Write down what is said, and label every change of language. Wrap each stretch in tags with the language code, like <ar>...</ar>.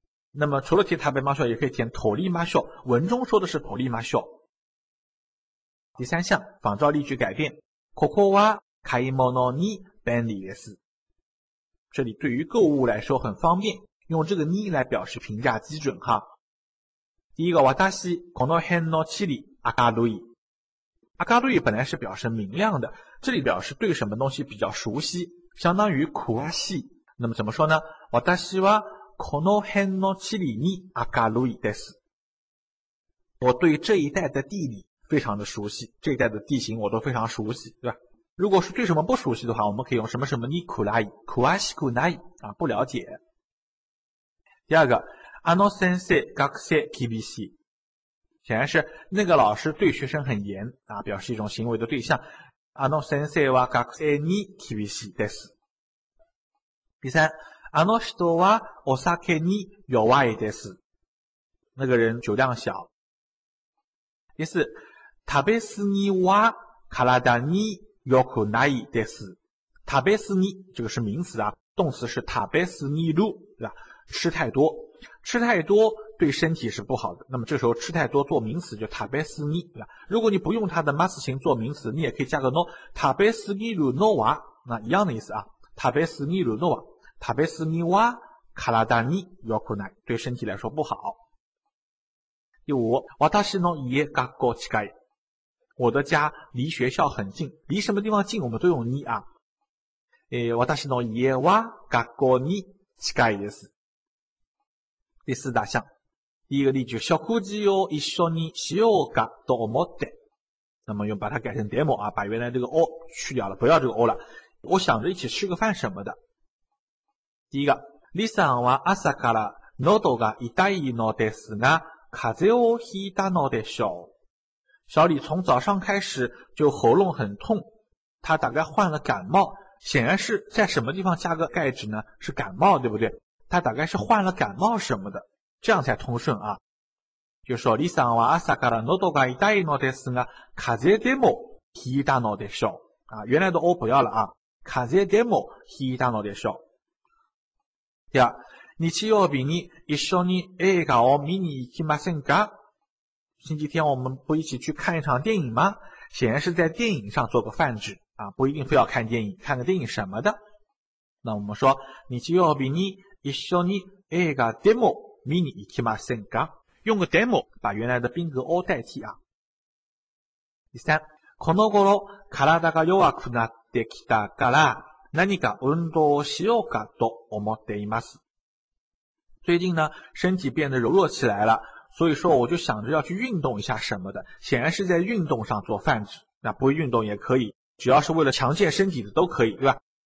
<zh>那么除了填他被マショ，也可以填トリマショ。文中说的是トリマショ。第三项，仿照例句改变。</zh> <ja>ここは買い物に便利です。</ja> <zh>这里对于购物来说很方便。用这个に来表示评价基准哈。第一个，</zh> <ja>私この辺の地理明るい。</ja> <zh>明るい本来是表示明亮的，这里表示对什么东西比较熟悉，相当于詳しい。那么怎么说呢？</zh> <ja>私はこの辺の地理に明るいです。</ja> <zh>我对这一带的地理非常的熟悉，这一带的地形我都非常熟悉，对吧？如果是对什么不熟悉的话，我们可以用什么什么に</zh> <ja>詳しくない，詳しくない，</ja> <zh>不了解。第二个，</zh> <ja>あの先生、学生、厳しい。</ja> <zh>显然是那个老师对学生很严啊，表示一种行为的对象。</zh> <ja>あの先生は学生に厳しいです。</ja> <zh>第三，</zh> <ja>あの人はお酒に弱いです。</ja> <zh>那个人酒量小。第四，</zh> <ja>食べ過ぎは体に良くないです。</ja> <zh>食べ過ぎ这个是名词啊，动词是食べ過ぎる，对吧？吃太多，吃太多对身体是不好的。那么这时候吃太多做名词就食べ過ぎ，对吧？如果你不用它的 mas 型做名词，你也可以加个 no， 食べ過ぎるのは，那一样的意思啊。</zh> <ja>食べ過ぎるのは、食べ過ぎは体に良くない，</ja> <zh>对身体来说不好。第五，</zh> <ja>私の家学校近い，</ja> <zh>我的家离学校很近，离什么地方近我们都用に啊。</zh> <ja>私の家は学校に近いです。</ja> <zh>第四大项，第一个例句，</zh> <ja>食事を一緒にしようかと思って，</ja> <zh>那么用把它改成でも啊，把原来这个を去掉了，不要这个を了，我想着一起吃个饭什么的。</zh> <ja>第一个，李さんは朝から喉が痛いのですが、風邪をひいたのでしょう。</ja> <zh>小李从早上开始就喉咙很痛，他大概患了感冒，显然是在什么地方加个盖子呢？是感冒，对不对？他大概是患了感冒什么的，这样才通顺啊。就说</zh> <ja>李さんは朝から喉が痛いのですが、風邪でもひいたのでしょう。</ja> <zh>啊，原来的哦不要了啊，</zh> <ja>風邪でもひいたのでしょう。第二，日曜日に一緒に映画を見に行きませんか？</ja> <zh>星期天我们不一起去看一场电影吗？显然是在电影上做个泛指啊，不一定非要看电影，看个电影什么的。</zh> <ja>那我们说，日曜日に一緒に映画でも見に行きませんか？</ja> <zh>用个でも把原来的宾格を代替啊。第三，</zh> <ja>この頃体が弱くなってきたから。何か運動をしようかと思っています。</ja> <zh>最近呢，身体变得柔弱起来了，所以说我就想着要去运动一下什么的。显然是在运动上做泛指，那不运动也可以，只要是为了强健身体的都可以，对吧？</zh>